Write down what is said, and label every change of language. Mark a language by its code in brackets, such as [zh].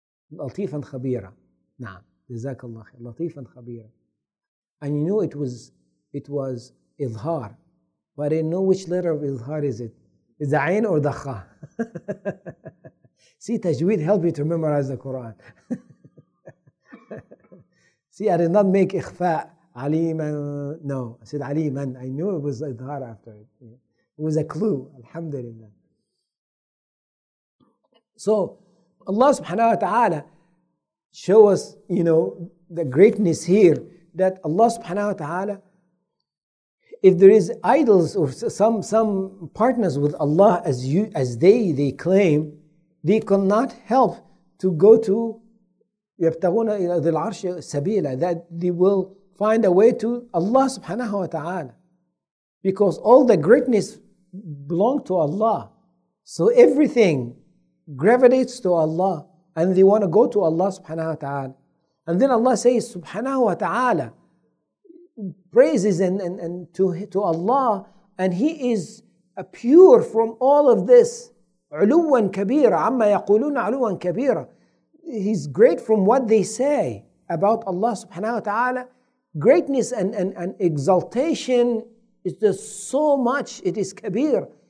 [ar] لطيفا خبيرا نعم جزاك الله خير لطيفا خبيرا [en] and you knew it was إظهار but I didn't know which letter of إظهار is it is the عين or the خا See, Tajweed helped you to memorize the Quran. See, I did not make ikhfa, aliman. No, I said aliman. I knew it was idhar after it. It was a clue, alhamdulillah. So, Allah subhanahu wa ta'ala show us, you know, the greatness here, that Allah subhanahu wa ta'ala, if there is idols or some partners with Allah as they claim, they cannot help to go to [ar] يَبْتَغُونَ إِلَى ذِي الْعَرْشِ سَبِيلًا, [en] that they will find a way to Allah subhanahu wa ta'ala. Because all the greatness belong to Allah. So everything gravitates to Allah, and they want to go to Allah subhanahu wa ta'ala. And then Allah says, subhanahu wa ta'ala, praises and to Allah, and He is pure from all of this. [ar] عُلُوًا كَبِيرًا عَمَّا يَقُولُونَ عُلُوًا كَبِيرًا. [en] He's great from what they say about Allah subhanahu wa ta'ala. Greatness and exaltation is just so much, it is kabir.